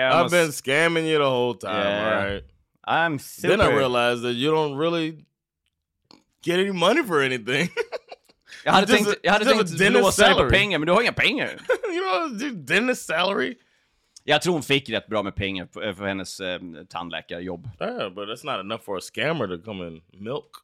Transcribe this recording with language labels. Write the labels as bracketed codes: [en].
[en] I've been scamming you the whole time, yeah. Right? I'm super... Then I realized that you don't really get any money for anything. [sv] Jag hade tänkt låsa pengar, men du har inga pengar. [en] You know, dentist salary. [sv] Jag tror hon fick rätt bra med pengar för hennes tandläkarjobb. [en] Yeah, but that's not enough for a scammer to come and milk.